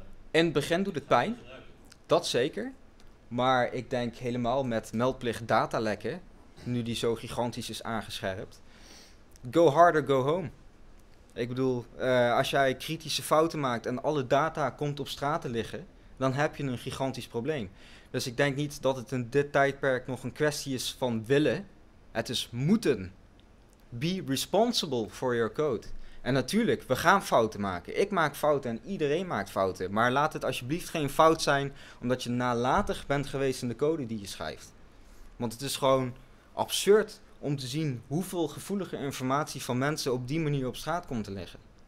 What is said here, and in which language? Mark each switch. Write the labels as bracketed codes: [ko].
[nl] In het begin doet het pijn, dat zeker, maar ik denk helemaal met meldplicht datalekken, nu die zo gigantisch is aangescherpt, [en] go harder, go home. [nl] Ik bedoel, als jij kritische fouten maakt en alle data komt op straat te liggen, dan heb je een gigantisch probleem. Dus ik denk niet dat het in dit tijdperk nog een kwestie is van willen, het is moeten. [en] Be responsible for your code. [nl] En natuurlijk, we gaan fouten maken. Ik maak fouten en iedereen maakt fouten. Maar laat het alsjeblieft geen fout zijn, omdat je nalatig bent geweest in de code die je schrijft. Want het is gewoon absurd om te zien hoeveel gevoelige informatie van mensen op die manier op straat komt te liggen.